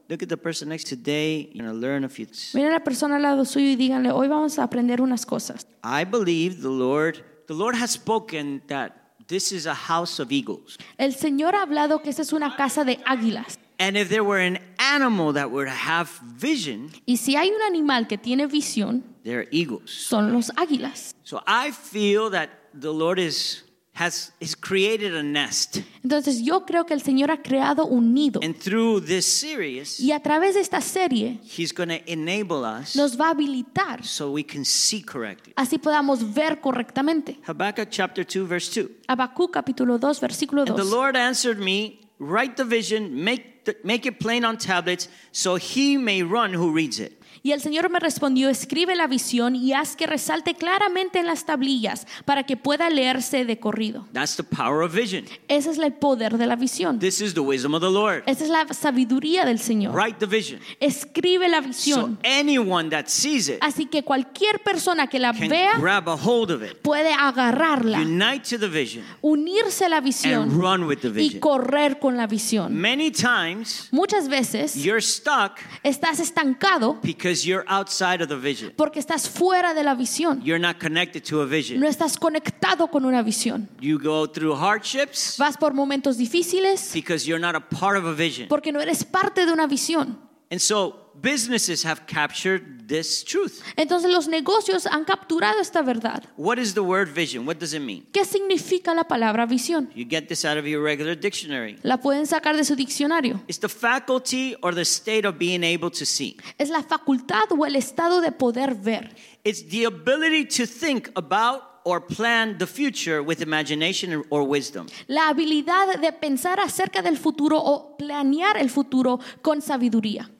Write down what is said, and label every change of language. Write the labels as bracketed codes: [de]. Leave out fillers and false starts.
[en] Look at the person next to today and learn a few things. [es] Miren a la persona al lado suyo y díganle, hoy vamos a aprender unas cosas. [en] I believe the Lord has spoken that this is a house of eagles. [es] El Señor ha hablado que esta es una casa de águilas. [en] And if there were an animal that were to have vision, [es] y si hay un animal que tiene visión, [en] they're eagles. [es] Son los águilas. [en] So I feel that the Lord has created a nest. [es] Entonces yo creo que el Señor ha creado un nido. [en] And through this series, [es] y a través de esta serie, [en] he's going to enable us, [es] nos va a habilitar, [en] so we can see correctly. [es] Así podamos ver correctamente. [en] Habakkuk chapter 2 verse 2. [es] Habacuc capítulo 2 versículo 2. [en] And the Lord answered me, write the vision, make it plain on tablets, so he may run who reads it. [es] Y el Señor me respondió, escribe la visión y haz que resalte claramente en las tablillas para que pueda leerse de corrido. [en] That's the power of vision. [es] Ese es el poder de la visión. [en] This is the wisdom of the Lord. [es] Esa es la sabiduría del Señor. [en] Write the vision. [es] Escribe la visión. [en] So anyone that sees it, [es] así que cualquier persona que la vea, [en] grab a hold of it, [es] puede agarrarla. [en] Unite to the vision. [es] Unirse a la visión. [en] And run with the vision. [es] Y correr con la visión. [en] Many times, [es] muchas veces, [en] you're stuck, [es] estás estancado, [en] because you're outside of the vision. [es] Porque estás fuera de la visión. [en] You're not connected to a vision. [es] No estás conectado con una visión. [en] You go through hardships. [es] Vas por momentos difíciles. [en] Because you're not a part of a vision. [es] Porque no eres parte de una visión. [en] And so businesses have captured this truth. [es] Entonces los negocios han capturado esta verdad. [en] What is the word vision? What does it mean? [es] ¿Qué significa la palabra visión? [en] You get this out of your regular dictionary. [es] La pueden sacar de su diccionario. [en] It's the faculty or the state of being able to see. [es] Es la facultad o el estado de poder ver. [en] It's the ability to think about or plan the future with imagination or wisdom. [es] La habilidad de pensar acerca del futuro o planear el futuro con sabiduría.